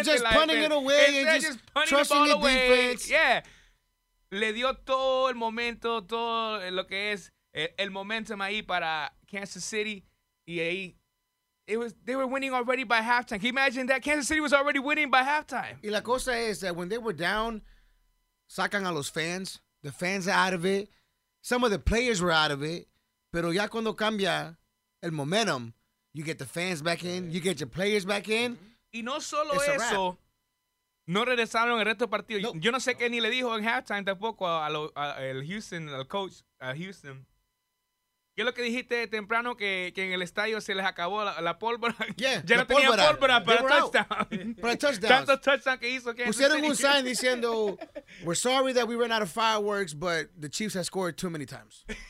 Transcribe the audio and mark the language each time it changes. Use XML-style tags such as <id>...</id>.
<en>Instead of just punting it away and just trusting the defense. Yeah.</en> <es>Le dio todo el momento, todo lo que es el momentum ahí para Kansas City. Y ahí,</es> <en>they were winning already by halftime. Can you imagine that? Kansas City was already winning by halftime.</en> <es>Y la cosa es</es> <en>that when they were down,</en> <es>sacan a los fans.</es> <en>The fans are out of it. Some of the players were out of it.</en> <es>Pero ya cuando cambia el momentum,</es> <en>you get the fans back in. You get your players back in.</en> <es>Y no solo eso. No regresaron el resto del partido. No. Yo no sé qué ni le dijo en halftime tampoco al coach Houston. ¿Qué es lo que dijiste temprano? Que en el estadio se les acabó la pólvora.</es> <en>Yeah,</en> <es>ya no tenían pólvora para touchdown. Para touchdown. Tanto touchdown que hizo Kansas City. Pusieron un sign diciendo,</es> <en>we're sorry that we ran out of fireworks, but the Chiefs have scored too many times.</en>